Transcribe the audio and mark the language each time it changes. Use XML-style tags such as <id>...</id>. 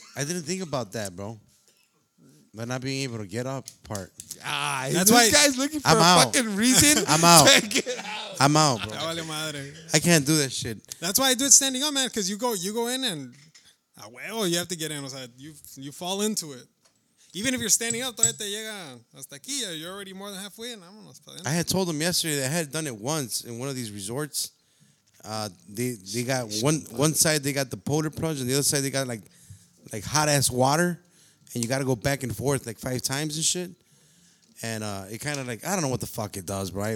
<en>I didn't think about that, bro. But not being able to get up part. Ah, that's why this guy's looking for fucking reason. I'm out. To get out. I'm out, bro.</en> <es>Vale madre.</es> <en>I can't do that shit. That's why I do it standing up, man. Because you go in and, well, you have to get in.</en> <es>O sea,</es> <en>you fall into it. Even if you're standing up,</en> <es>todavía te llega hasta aquí.</es> <en>You're already more than halfway in. I had told him yesterday that I had done it once in one of these resorts. They got one side, they got the polar plunge, and the other side, they got like hot ass water. And you got to go back and forth like 5 times and shit. And it kind of like, I don't know what the fuck it does, right?</en>